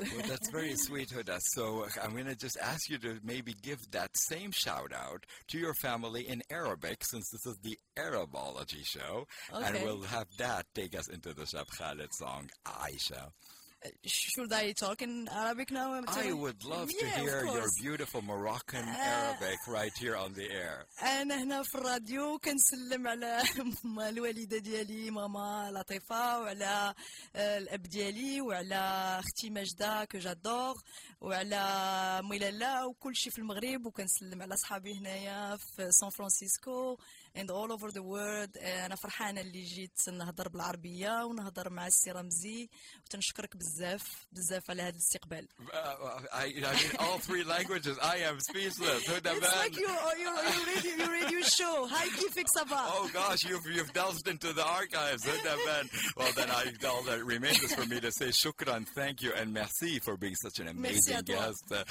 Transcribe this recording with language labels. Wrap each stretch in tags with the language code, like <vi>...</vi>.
<en>Well, that's very sweet, Huda. So I'm going to just ask you to maybe give that same shout out to your family in Arabic, since this is the Arabology show. Okay. And we'll have that take us into the Shab Khaled song, Aisha. Should I talk in Arabic now? I would love to hear your beautiful Moroccan Arabic right here on the air.</en> <ar>أنا هنا في الراديو كنسلم على الوالدة ديالي ماما لطيفة وعلى الأب ديالي وعلى أختي مجدة كو جادور وعلى ميلالا وكل شي في المغرب وكنسلم على صحابي هنايا في سان فرانسيسكو</ar> <en>and all over the world.</en> <ar>أنا فرحانة اللي جيت نهضر بالعربية ونهضر مع السي رمزي وتنشكرك بزاف بزاف على هذا الاستقبال.</ar> <en>I mean, all three languages. I am speechless. It's like your radio show. Hi, Kifik Sabah. Oh gosh, you've delved into the archives, Huda Ben. Well, then all that remains is for me to say shukran, thank you, and merci for being such an amazing guest.</en>